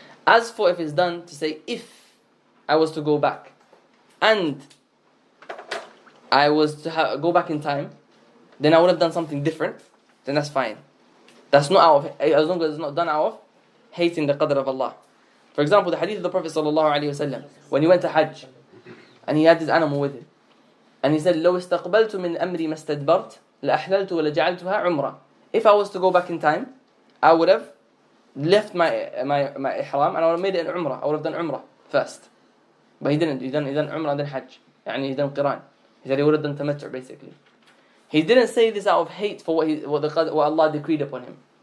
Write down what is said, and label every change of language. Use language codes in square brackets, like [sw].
[en] As for if it's done to say, if I was to go back, and I was to go back in time, then I would have done something different, then that's fine. That's not out of, as long as it's not done out of hating the qadr of Allah. For example, the hadith of the Prophet ﷺ, when he went to Hajj, and he had his animal with him. [ar] And he said, لو استقبلت من أمري ما استدبرت لأحللت ولجعلتها عمرة. [en] If I was to go back in time, I would have left my إحرام and I would have made it an عمرة. I would have done عمرة first. But he didn't. He done عمرة then حج. يعني he done قران. He said he would have done تمتع basically. He didn't say this out of hate for what Allah decreed upon him.